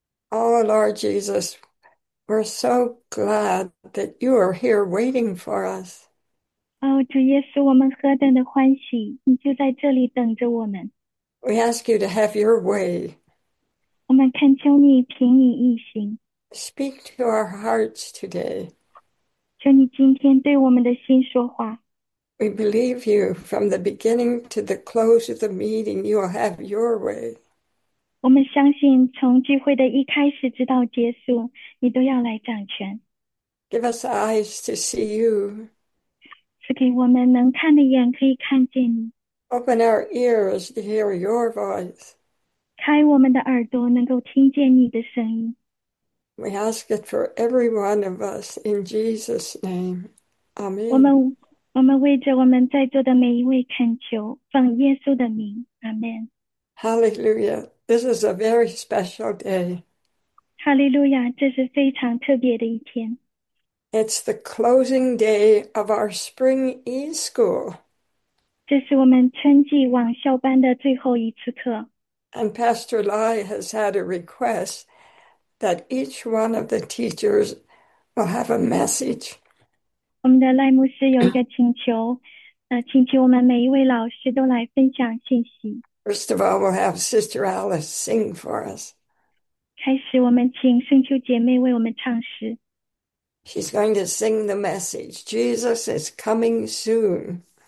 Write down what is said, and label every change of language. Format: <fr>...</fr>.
<en>Oh Lord Jesus, we're so glad that you are here waiting for us.</en> <zh>哦，主耶稣，我们何等的欢喜，你就在这里等着我们。</zh> <en>We ask you to have your way.</en> <zh>我们恳求你凭你意行，</zh> <en>Speak to our hearts today.</en> <zh>求你今天对我们的心说话。</zh> <en>We believe you from the beginning to the close of the meeting, you will have your way.</en> <zh>我们相信，从聚会的一开始直到结束，你都要来掌权。</zh> <en>Give us eyes to see you.</en> <zh>赐给我们能看的眼，可以看见你。</zh> <en>Open our ears to hear your voice.</en> <zh>开我们的耳朵，能够听见你的声音。</zh> <en>We ask it for every one of us in Jesus' name. Amen.</en> <zh>我们为着我们在座的每一位恳求，奉耶稣的名，阿门。</zh> <en>Hallelujah. This is a very special day.</en> <zh>哈利路亚，这是非常特别的一天。</zh> <en>It's the closing day of our spring e-school.</en> <zh>这是我们春季网校班的最后一次课。</zh> <en>And Pastor Lai has had a request that each one of the teachers will have a message.</en> <zh>我们的赖牧师有一个请求，请求我们每一位老师都来分享信息。</zh> <en>First of all, we'll have Sister Alice sing for us.</en> <zh>开始，我们请圣秋姐妹为我们唱诗。</zh> <en>She's going to sing the message. Jesus is coming soon.</en>